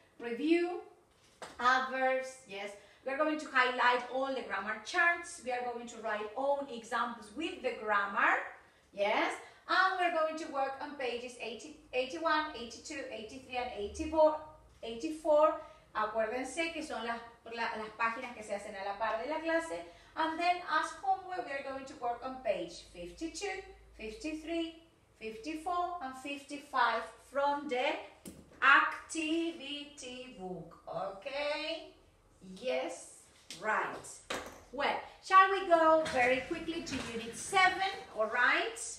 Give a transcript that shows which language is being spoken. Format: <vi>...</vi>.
<en>Review, adverbs, yes. We are going to highlight all the grammar charts. We are going to write own examples with the grammar. Yes. And we're going to work on pages 81, 82, 83, and 84.</en> <es>Acuérdense que son las páginas que se hacen a la par de la clase.</es> <en>And then as homework, we are going to work on page 52, 53, 54, and 55 from the activity book. Okay? Yes, right. Well, shall we go very quickly to unit 7, all right?</en>